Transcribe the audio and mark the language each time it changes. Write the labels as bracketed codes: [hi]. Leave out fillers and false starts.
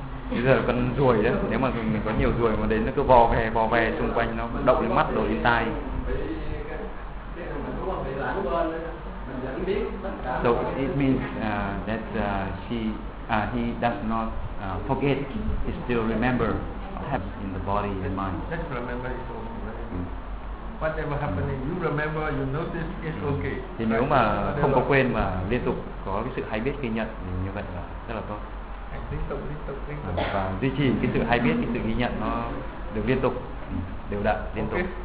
[vi] Bây giờ con ruồi đấy, nếu mà mình có nhiều ruồi mà đến nó cứ vò về xung quanh nó động lên mắt rồi lên tai. [en] So it means he does not forget, he still remember what happens in the body and mind. Just remember it's okay. Mm. Whatever happening, you remember, you notice, it's okay. [vi] Thì nếu mà không có quên mà liên tục có cái sự hay biết ghi nhận thì như vậy là rất là tốt. Liên tục. Và duy trì cái sự hay biết, cái sự ghi nhận nó được liên tục, đều đặn, liên tục.